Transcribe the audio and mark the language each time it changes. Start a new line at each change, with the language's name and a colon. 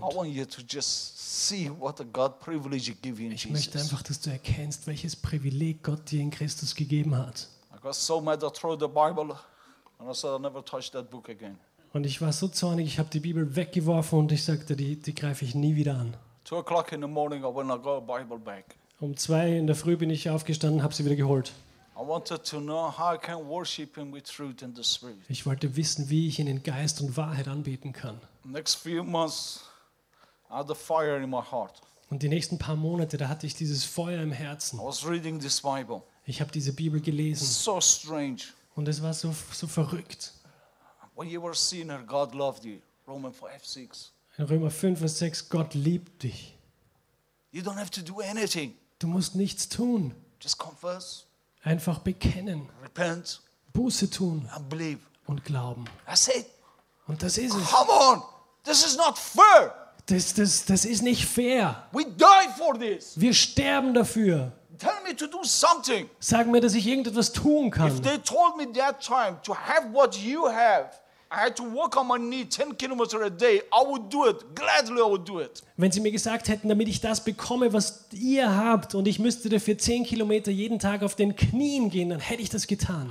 English: I want you to just see what a God privilege he gave you in Jesus.
German: Ich möchte einfach, dass du erkennst, welches Privileg Gott dir in Christus gegeben hat.
English: I got so mad I threw the Bible and I said I never touch that book again.
German: Und ich war so zornig, ich habe die Bibel weggeworfen und ich sagte, die greife ich nie wieder an.
English: 2 o'clock in the morning, I went and got the Bible back.
German: Um 2 in der Früh bin ich aufgestanden, habe sie wieder geholt.
English: I wanted to know how I can worship him with truth and the spirit.
German: Ich wollte wissen, wie ich ihn in Geist und Wahrheit anbeten kann.
English: Next few months, I had a fire in my heart.
German: Und die nächsten paar Monate, da hatte ich dieses Feuer im Herzen.
English: I was reading this Bible.
German: Ich habe diese Bibel gelesen.
English: So strange.
German: Und es war so verrückt.
English: When you were sinner, God loved you. Romans 5:6.
German: In Römer 5:6, Gott liebt dich.
English: You don't have to do anything.
German: Du musst nichts tun.
English: Just confess.
German: Einfach bekennen.
English: Repent.
German: Buße tun.
English: And believe.
German: Und glauben.
English: That's it.
German: Und das ist es.
English: Come on. This is not fair.
German: Das ist nicht fair.
English: We die for this.
German: Wir sterben dafür.
English: Tell me to do something.
German: Sag mir, dass ich irgendetwas tun kann.
English: If they told me that time to have what you have, I had to walk on my knee 10 kilometers a day, I would do it. Gladly I would do it.
German: Wenn sie mir gesagt hätten, damit ich das bekomme, was ihr habt, und ich müsste dafür 10 Kilometer jeden Tag auf den Knien gehen, dann hätte ich das getan.